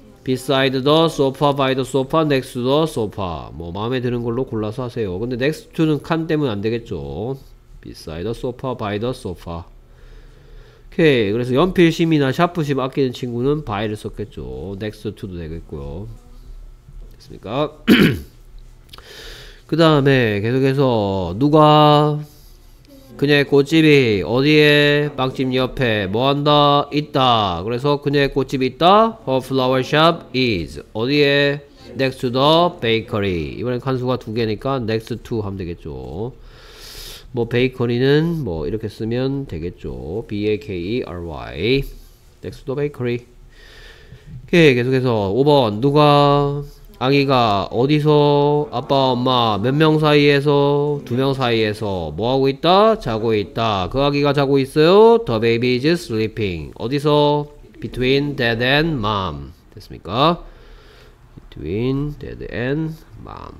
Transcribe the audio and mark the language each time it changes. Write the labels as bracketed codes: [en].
[en] Beside the sofa, by the sofa, next to the sofa. [ko] 뭐 마음에 드는 걸로 골라서 하세요. 근데 next to는 칸 때문에 안 되겠죠. [en] Beside the sofa, by the sofa. [ko] 오케이. 그래서 연필심이나 샤프심 아끼는 친구는 바이를 썼겠죠. next to도 되겠고요. 됐습니까? 그 다음에 계속해서 누가 그녀의 꽃집이 어디에? 빵집 옆에 뭐한다? 있다. 그래서 그녀의 꽃집이 있다? [en] her flower shop is. [ko] 어디에? [en] next to the bakery. [ko] 이번엔 칸수가 두 개니까 next to 하면 되겠죠. 뭐 베이커리는 뭐 이렇게 쓰면 되겠죠. [en] B-A-K-E-R-Y Next to the bakery. [ko] 오케이. 계속해서 5번 누가 아기가 어디서 아빠 엄마 몇 명 사이에서 두 명 사이에서 뭐 하고 있다? 자고 있다. 그 아기가 자고 있어요? [en] The baby is sleeping. [ko] 어디서? [en] Between dad and mom. [ko] 됐습니까? [en] Between dad and mom.